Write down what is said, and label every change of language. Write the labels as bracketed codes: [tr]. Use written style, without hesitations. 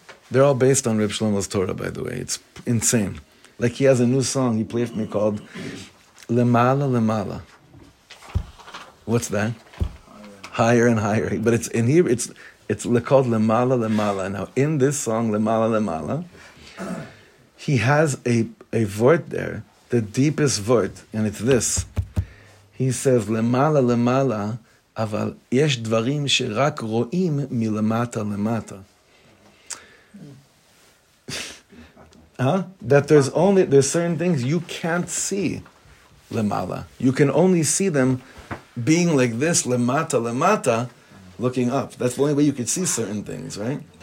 [en] They're all based on Reb Shlomo's Torah, by the way. It's insane. Like, he has a new song he played for me called Lemala Lemala. What's that? Higher and higher. But it's in here, it's called Lemala Lemala. Now, in this song, Lemala Lemala, he has a vort there, the deepest vort, and it's this. He says, Lemala Lemala, [he] אבל יש דברים שרק רואים מלמטה למטה. [en] That there's only, there's certain things you can't see למעלה. You can only see them being like this, [he] למטה, למטה, [en] looking up. That's the only way you could see certain things, right?